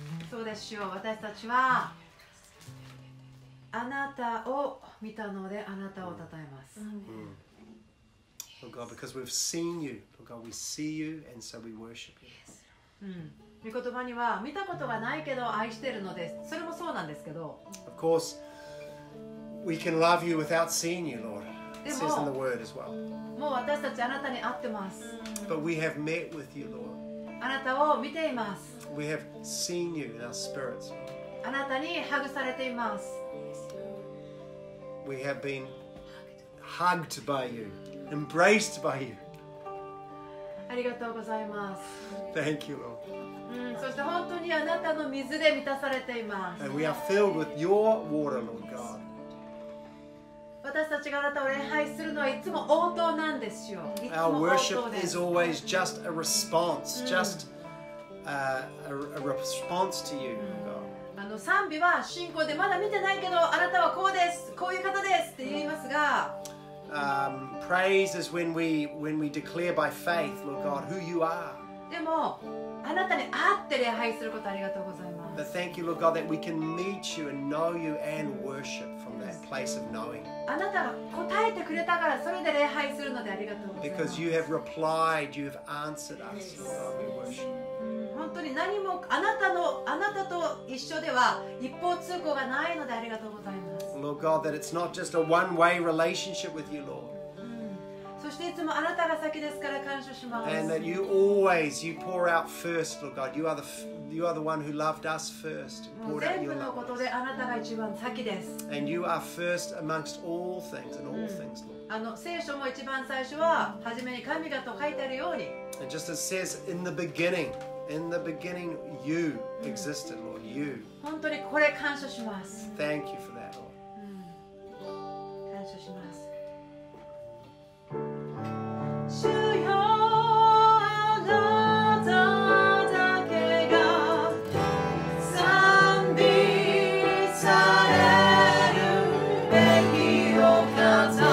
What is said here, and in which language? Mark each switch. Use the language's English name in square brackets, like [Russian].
[Japanese] そうです主よ、私たちはあなたを見たのであなたをたたえます。 [English] うん、Lord God, because we've seen you, Lord God, we see you, and so we worship you. [Japanese] うん、御言葉には見たことがないけど愛してるのです。それもそうなんですけど。 [English] Of course, we can love you without seeing you, Lord. It says in the Word as well. [Japanese] もう私たちあなたに会ってます。 [English] But we have met with you, Lord. [Japanese] あなたを見ています。 [English] We have seen you in our spirits. [Japanese] あなたにハグされています。 [English] We have been hugged by you, embraced by you. [Japanese] ありがとうございます。 [English] Thank you, Lord. [Japanese] そして本当にあなたの水で満たされています。 [English] And we are filled with your water, Lord God. [Japanese] 私たちがあなたを礼拝するのはいつも応答なんですよ。 [English] Our worship is always just a response, just a response to you, God. [Japanese] あの賛美は信仰でまだ見てないけどあなたはこうです、こういう方ですって言いますが、 [English] praise is when we declare by faith, Lord God, who you are. [Japanese] でもあなたに会って礼拝することありがとうございます。 [English] But thank you, Lord God, that we can meet you and know you and worship from that place of knowing. [Japanese] あなたが答えてくれたからそれで礼拝するのでありがとうございます。 [English] Because you have replied, you have answered us, Lord God, we worship. [Japanese] 本当に何もあなたと一緒では一方通行がないのでありがとうございます。 [English] Lord God, that it's not just a one-way relationship with you, Lord. [Japanese] そしていつもあなたが先ですから感謝します。 [English] And that you always, you pour out first, Lord God. You are the one who loved us first. And poured out your love. [Japanese] 全部のことであなたが一番先です。 [English] And you are first amongst all things and all things, Lord. [Japanese] あの聖書も一番最初ははじめに神がと書いてあるように。 [English] And just as it says, in the beginning, you existed, Lord, you. [Japanese] 本当にこれ感謝します。 [English] Thank you for that, Lord. [Japanese] 感謝します。主よ、あなただけが賛美されるべきお方。